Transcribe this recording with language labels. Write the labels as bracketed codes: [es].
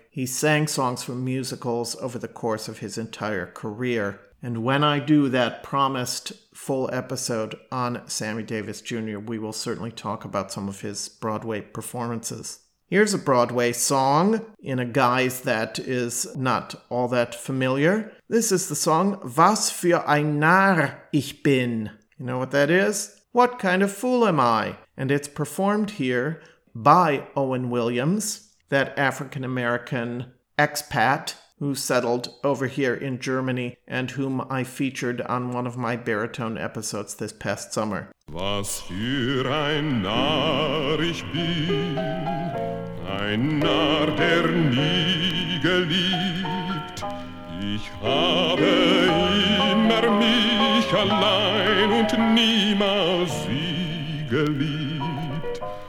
[en] He sang songs from musicals over the course of his entire career. And when I do that promised full episode on Sammy Davis Jr., we will certainly talk about some of his Broadway performances. Here's a Broadway song in a guise that is not all that familiar. This is the song, Was für ein Narr ich bin. You know what that is? What kind of fool am I? And it's performed here by Owen Williams, that African-American expat who settled over here in Germany and whom I featured on one of my baritone episodes this past summer. [de] Was für ein Narr ich bin, ein Narr, der nie geliebt. Ich habe immer mich allein und niemals sie geliebt.